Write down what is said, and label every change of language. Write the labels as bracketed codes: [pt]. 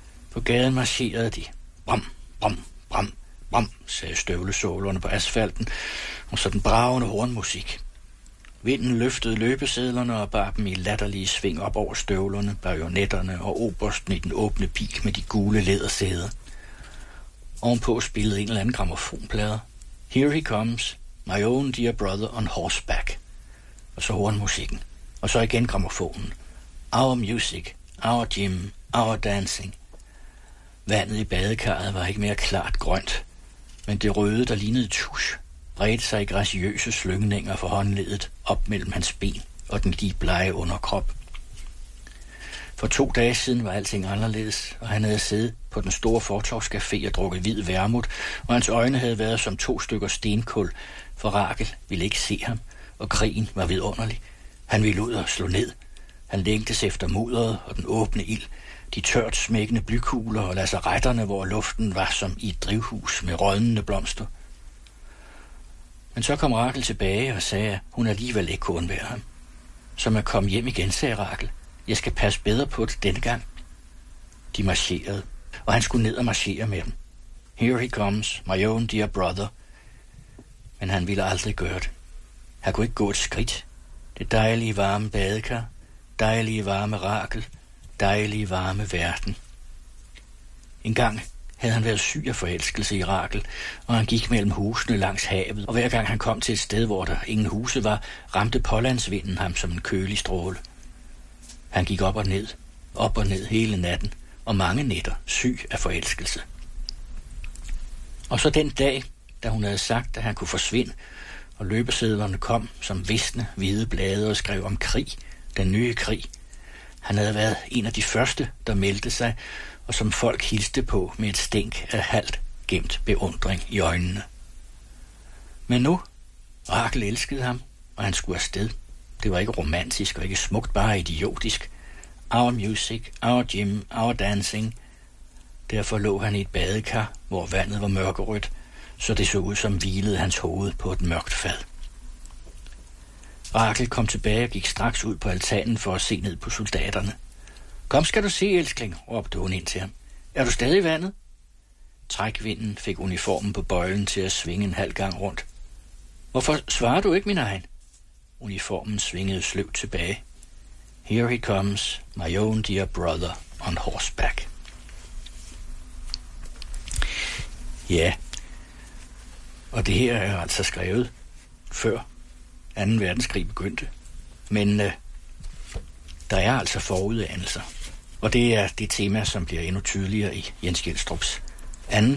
[da] På gaden marcherede de. Brom, brom, brom, brom, sagde støvlesålerne på asfalten, og så den bragende hornmusik. Vinden løftede løbesedlerne og bar dem i latterlige sving op over støvlerne, bajonetterne og obersten i den åbne pil med de gule lædersæder. Ovenpå spillede en eller anden gramofonplade. [en] Here he comes, my own dear brother on horseback. [da] Og så hornmusikken. Og så igen gramofonen. [en] Our music, our gym, our dancing. [da] Vandet i badekarret var ikke mere klart grønt, men det røde, der lignede tusch, bredte sig i graciøse slyngninger for håndledet op mellem hans ben og den lige blege underkrop. For 2 dage siden var alting anderledes, og han havde siddet på den store fortorvscafé og drukket hvid vermut, og hans øjne havde været som 2 stykker stenkul, for Rakel ville ikke se ham, og krigen var vidunderlig. Han ville ud og slå ned. Han længtes efter mudderet og den åbne ild, de tørt smækkende blykugler og lazaretterne, hvor luften var som i et drivhus med rådnende blomster. Men så kom Rakel tilbage og sagde, at hun alligevel ikke kunne undvære ham. Så man kom hjem igen, sagde Rakel. Jeg skal passe bedre på det denne gang. De marcherede, og han skulle ned og marchere med dem. [en] Here he comes, my own dear brother. [da] Men han ville aldrig gøre det. Han kunne ikke gå et skridt. Det dejlige varme badekar, dejlige varme Rakel, dejlige varme verden. En gang havde han været syg af forelskelse i Rakel, og han gik mellem husene langs havet, og hver gang han kom til et sted, hvor der ingen huse var, ramte pålandsvinden ham som en kølig stråle. Han gik op og ned hele natten, og mange nætter syg af forelskelse. Og så den dag, da hun havde sagt, at han kunne forsvinde, og løbesedlerne kom som visne hvide blade og skrev om krig, den nye krig. Han havde været en af de første, der meldte sig, og som folk hilste på med et stænk af halvt gemt beundring i øjnene. Men nu, Rakel elskede ham, og han skulle afsted. Det var ikke romantisk og ikke smukt, bare idiotisk. [en] Our music, our gym, our dancing. [da] Derfor lå han i et badekar, hvor vandet var mørkerødt, så det så ud som hvilede hans hoved på et mørkt fad. Rakel kom tilbage og gik straks ud på altanen for at se ned på soldaterne. Kom, skal du se, elskling, råbte hun ind til ham. Er du stadig i vandet? Trækvinden fik uniformen på bøjlen til at svinge en halv gang rundt. Hvorfor svarer du ikke, min egen? Uniformen svingede sløvt tilbage. [en] Here he comes, my own dear brother on horseback. [da] Ja, og det her er altså skrevet før 2. verdenskrig begyndte. Men der er altså forudanelser. Og det er det tema, som bliver endnu tydeligere i Jens Gjelstrups 2.